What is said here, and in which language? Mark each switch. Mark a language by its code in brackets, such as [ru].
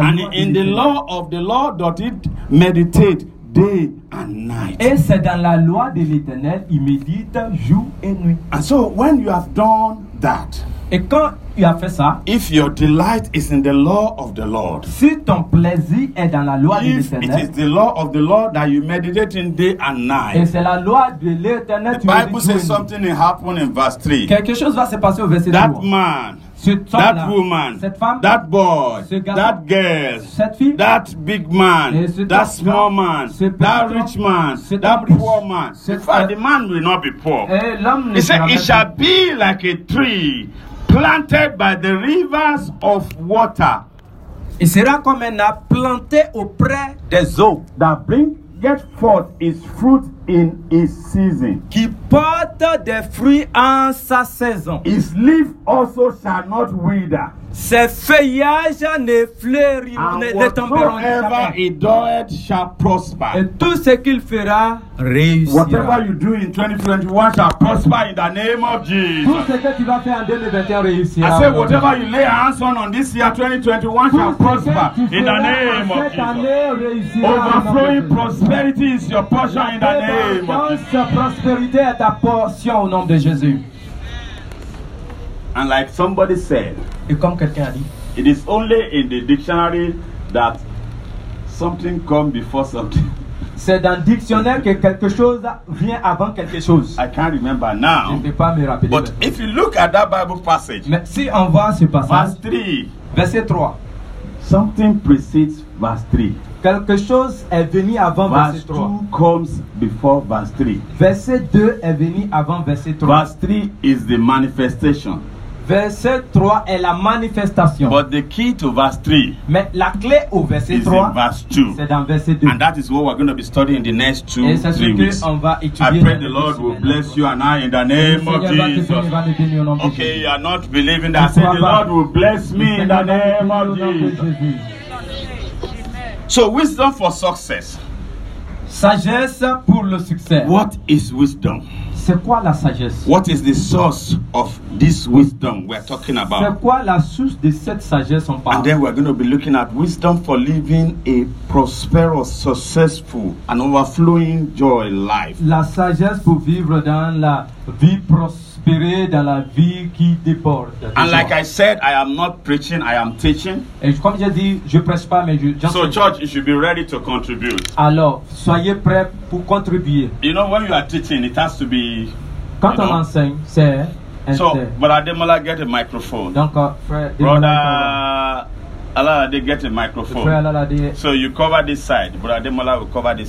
[en] and in the law of the Lord doth it meditate. Day and night. [fr] Et c'est dans la loi de l'Éternel, il médite jour et nuit. [en] And so when you have done that, [fr] et quand tu as fait ça, [en] if your delight is in the law of the Lord, [fr] si ton plaisir est dans la loi [en] if [fr] de l'Éternel, [en] it is the law of the Lord that you meditate in day and night. [fr] Et c'est la loi de l'Éternel. [en] The Bible says something will happen in verse 3. [fr] Quelque chose va se passer au verset [en] 3. That man. That woman, [fr] cette femme, [en] that boy, [fr] ce garçon, [en] that girl, [fr] cette fille, [en] that big man, that small man, [fr] ce [en] that rich man, that [fr] riche, [en] poor man. The man will not be poor. [fr] L'homme [en] he said, it shall be like a tree planted by the rivers of water. [fr] Il sera comme un arbre planté auprès des eaux. [en] That bring get forth its fruit in its season. [fr] Qui porte des fruits en sa saison. [en] His leaf also shall not wither. [fr] Ses feuillages ne fleuriront, ne tomberont jamais. [en] Whatever he doeth shall prosper. [fr] Et tout ce qu'il fera réussira. [en] Whatever you do in 2021 shall prosper in the name of Jesus. [fr] Tout ce que tu vas faire en 2021 réussira. [en] I say whatever you lay hands on this year 2021 shall prosper in the name of Jesus. Overflowing prosperity is your portion in the name of Jesus. [fr] Ta prospérité est ta portion au nom de Jésus. [en] And like somebody said, [fr] et comme quelqu'un a dit, [en] it is only in the dictionary that something comes before something. [fr] C'est dans le dictionnaire que quelque chose vient avant quelque chose. [en] I can't remember now. [fr] Je ne peux pas me rappeler. [en] But if you look at that Bible passage, [fr] mais si on voit ce passage, [en] verse 3, [fr] verset 3, [en] something precedes verse 3. [fr] Quelque chose est venu avant [en] verse [fr] verset 3. [en] Verse 2 comes before verse 3. [fr] Verset 2 est venu avant verset 3. [en] Verse 3 is the manifestation. [fr] Verset 3 est la manifestation. [en] But the key to verse 3. [fr] Mais la clé au verset 3 [en] is in verse 2. [fr] C'est dans verset 2. [en] And that is what we're going to be studying in the next 2 weeks. [fr] Et c'est ce que on va étudier. [en] I pray the Lord will bless you and I in the name of Jesus. Okay, you are not believing that. I say the Lord will bless me in the name of Jesus. So wisdom for success. [fr] Sagesse pour le succès. [en] What is wisdom? [fr] C'est quoi la sagesse? [en] What is the source of this wisdom we're talking about? [fr] C'est quoi la source de cette sagesse on parle? [en] And then we're going to be looking at wisdom for living a prosperous, successful, and overflowing joy life. [fr] La sagesse pour vivre dans la vie prospérée, dans la vie qui déborde. [en] And like I said, I am not preaching, I am teaching. [fr] Et comme j'ai dit, je prêche pas, mais je. [en] So church, you should be ready to contribute. [fr] Alors, soyez prêts pour contribuer. [en] You know, when you are teaching, it has to be. [fr] Quand on enseigne, c'est. [en] So, Brother Ademola, get a microphone. [fr] Donc, [en] Brother Alalade, get a microphone. [fr] Frère Alalade, [en] so, you cover this side. Brother Ademola will cover this